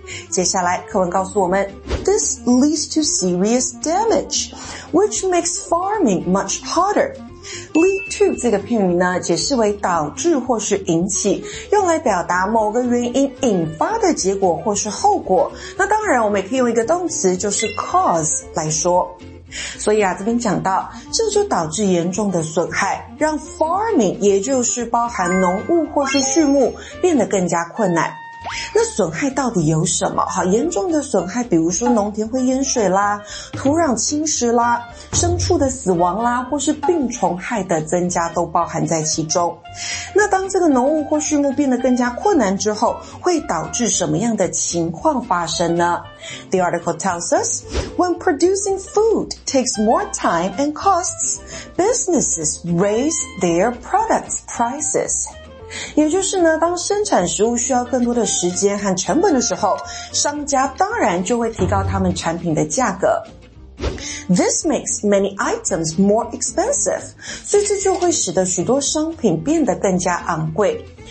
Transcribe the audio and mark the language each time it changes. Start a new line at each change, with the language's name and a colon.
Chinese: 接下来课文告诉我们
English: This leads to serious damage, which makes farming much harder.
Chinese: Lead to 这个片语呢解释为导致或是引起，用来表达某个原因引发的结果或是后果。那当然我们也可以用一个动词就是 cause 来说。所以啊，这边讲到这就导致严重的损害，让 farming 也就是包含农物或是畜牧变得更加困难。那损害到底有什么？好，严重的损害比如说农田会淹水啦、土壤侵蚀啦、牲畜的死亡啦，或是病虫害的增加都包含在其中。那当这个农物或畜牧变得更加困难之后，会导致什么样的情况发生呢？
English: The article tells us, when producing food takes more time and costs, businesses raise their products prices.
Chinese: 也就是呢，当生产食物需要更多的时间和成本的时候，商家当然就会提高他们产品的价格。
English: This makes many items more expensive.
Chinese: 所以这就会使得许多商品变得更加昂贵。